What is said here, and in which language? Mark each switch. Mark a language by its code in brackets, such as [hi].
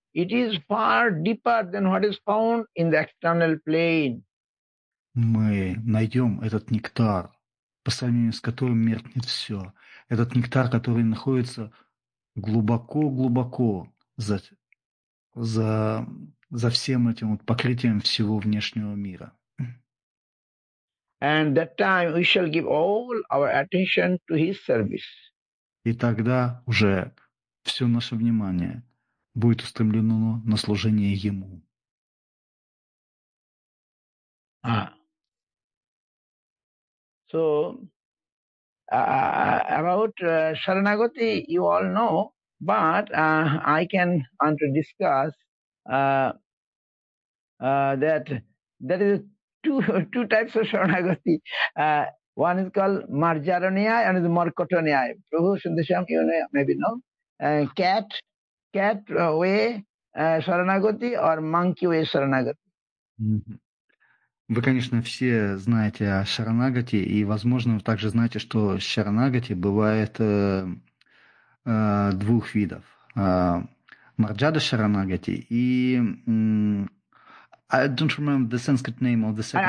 [en] It is far deeper than what is found in the external plane. [ru] Мы найдем этот нектар, по сравнению с которым меркнет все. Этот нектар, который находится глубоко-глубоко за всем этим вот покрытием всего внешнего мира. [en] And that time we shall give all our attention to his service. [ru] И тогда уже все наше внимание будет устремлено на служение ему. [en] So about Sharanagati you all know, but I can want to discuss that is two types of Sharanagati. One is called Marjaraniyai and is Markotaniyai. Prabhu Sundasham, you know, maybe know. Cat way Saranagati or monkey way Saranagati. [ru] Вы, конечно, все знаете о Шаранагати, и, возможно, вы также знаете, что Шаранагати бывает двух видов. Марджада Шаранагати и... [en] I don't remember the Sanskrit name of the second